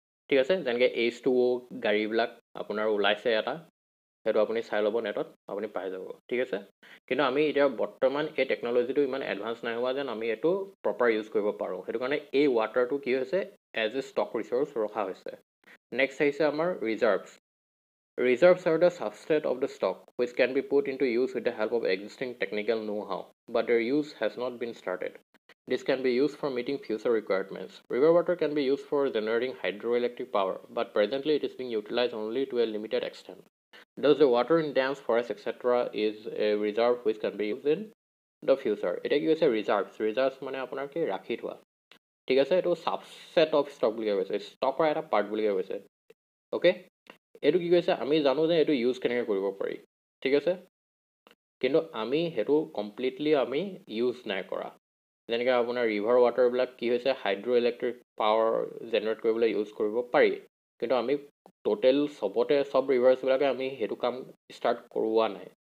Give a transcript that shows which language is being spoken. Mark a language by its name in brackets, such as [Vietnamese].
[Assamese] ঠিক আছে যেনেকৈ এইচ টু অ' গাড়ীবিলাক আপোনাৰ ওলাইছে এটা সেইটো আপুনি চাই ল'ব নেটত আপুনি পাই যাব ঠিক আছে কিন্তু আমি এতিয়া বৰ্তমান এই টেকন'লজিটো ইমান এডভান্স নাই হোৱা যেন আমি এইটো প্ৰপাৰ ইউজ কৰিব পাৰোঁ সেইটো কাৰণে এই ৱাটাৰটো কি হৈছে এজ এ ষ্টক ৰিচোৰ্চ ৰখা হৈছে নেক্সট আহিছে আমাৰ reserves [English] Reserves are the substrate of the stock, which can be put into use with the help of existing technical know-how, but their use has not been started. This can be used for meeting future requirements. River water can be used for generating hydroelectric power, but presently it is being utilized only to a limited extent. Thus, the water in dams, forests, etc. is a reserve which can be used in the future. It is a reserve. Reserves means that you keep it. Okay, so it is a subset of stock. Stock is a part. Okay? [Assamese] এইটো কি কৈছে আমি জানোঁ যে এইটো use কেনেকৈ কৰিব পাৰি ঠিক আছে কিন্তু আমি সেইটো কমপ্লিটলি আমি ইউজ নাই কৰা যেনেকৈ আপোনাৰ ৰিভাৰ ৱাটাৰবিলাক কি হৈছে হাইড্ৰ' ইলেক্ট্ৰিক পাৱাৰ জেনেৰেট কৰিবলৈ ইউজ কৰিব পাৰি কিন্তু আমি ট'টেল চবতে চব ৰিভাৰ্চবিলাকে আমি সেইটো কাম ষ্টাৰ্ট কৰোৱা নাই